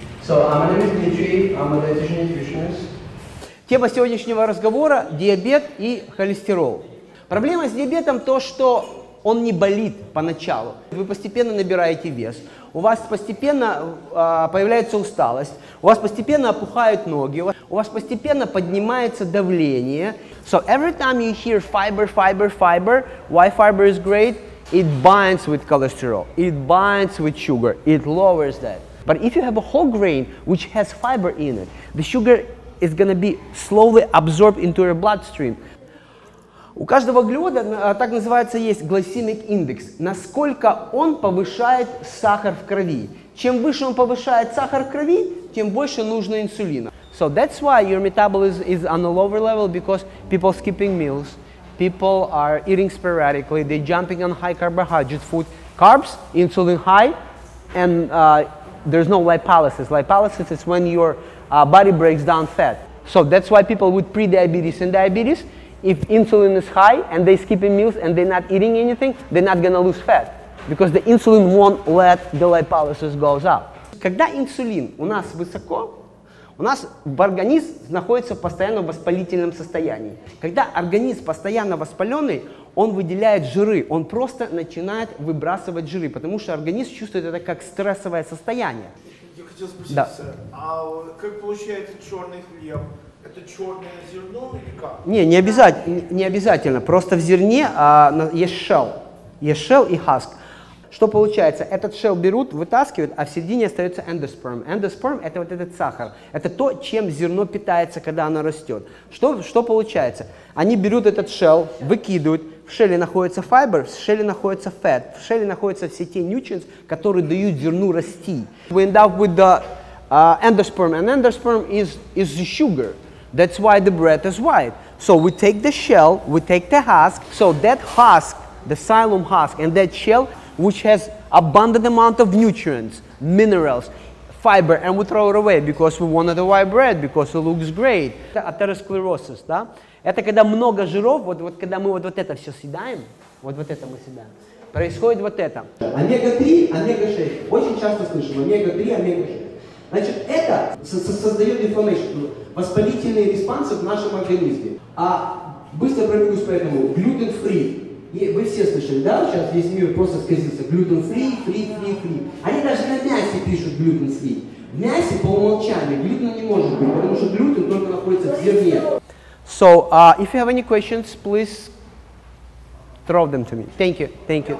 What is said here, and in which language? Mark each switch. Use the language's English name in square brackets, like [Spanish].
[English] So, my name is Dmitry, I'm a dietitian nutritionist. [Russian] Тема сегодняшнего разговора – диабет и холестерол. Проблема с диабетом – то, что он не болит поначалу. Вы постепенно набираете вес, у вас постепенно появляется усталость, у вас постепенно опухают ноги, у вас постепенно поднимается давление. [English] So every time you hear fiber, fiber, fiber, why fiber is great? It binds with cholesterol, it binds with sugar, it lowers that. But if you have a whole grain which has fiber in it, the sugar is going to be slowly absorbed into your bloodstream. [Russian] У каждого углевода, так называется, есть glycemic index. Насколько он повышает сахар в крови. Чем выше он повышает сахар в крови, тем больше нужно инсулина. [English] So that's why your metabolism is on a lower level, because people skipping meals, people are eating sporadically, they're jumping on high carbohydrate food. Carbs, insulin high, and there's no lipolysis. Lipolysis is when your body breaks down fat. So that's why people with pre-diabetes and diabetes, if insulin is high and they're skipping meals and they're not eating anything, they're not gonna lose fat, because the insulin won't let the lipolysis goes up. [Russian] Когда инсулин у нас высоко, у нас в организм находится постоянно в воспалительном состоянии. Когда организм постоянно воспаленный, он выделяет жиры, он просто начинает выбрасывать жиры, потому что организм чувствует это как стрессовое состояние. Я хотел спросить, да. Сэр, а как получается черный хлеб? Это черное зерно или как? Не обязательно, просто в зерне есть шелл и хаск. Что получается? Этот шелл берут, вытаскивают, а в середине остается эндосперм. Эндосперм – это вот этот сахар. Это то, чем зерно питается, когда оно растет. Что получается? Они берут этот шелл, выкидывают. В шелле находится фибр, в шелле находится фэт, в шелле находятся все те nutrients, которые дают зерну расти. [English] We end up with the endosperm, and endosperm is the sugar. That's why the bread is white. So we take the shell, we take the husk, so that husk, the xylem husk, and that shell, which has abundant amount of nutrients, minerals, fiber, and we throw it away because we wanted the white bread, because it looks great. [Russian] Это атеросклероз, да? Это когда много жиров, вот когда мы вот это все съедаем, вот это мы съедаем, происходит вот это. Омега-3, омега-6. Очень часто слышим, омега-3, омега-6. Значит, это создает inflammation, воспалительные респонсы в нашем организме. А быстро пробегусь по этому, глютен-фри. И вы все слышали, да, сейчас весь мир просто скользится глютен-фри, фри. Они даже на мясе пишут глютен-фри. В мясе по умолчанию глютена не может быть, потому что глютен только находится в зерне. [English] So, if you have any questions, please throw them to me. Thank you.